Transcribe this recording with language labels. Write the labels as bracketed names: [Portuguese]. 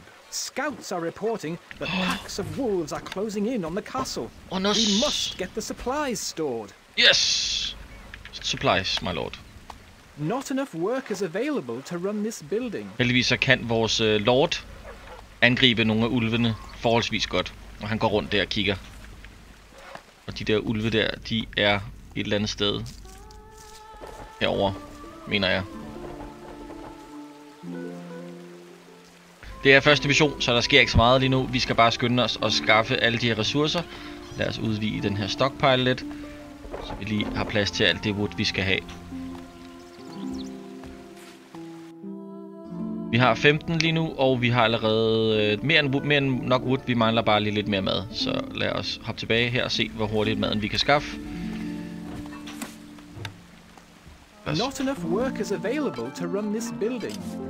[English] Scouts are reporting that packs of wolves are closing in on the castle. Oh, we must get the supplies stored. Yes! Supplies, my lord. Not enough workers available to run this building. [Danish] Heldigvis så kan vores lord angribe nogle af ulvene forholdsvis godt. Og han går rundt der og kigger. Og de der ulve der, de er et eller andet sted herover, mener jeg. Det er første mission, så der sker ikke så meget lige nu. Vi skal bare skynde os og skaffe alle de her ressourcer. Lad os udvide den her stockpile lidt, så vi lige har plads til alt det wood, vi skal have. Vi har 15 lige nu, og vi har allerede mere end nok wood. Vi mangler bare lige lidt mere mad. Så lad os hoppe tilbage her og se, hvor hurtigt maden vi kan skaffe. [English] Not enough workers available to run this building.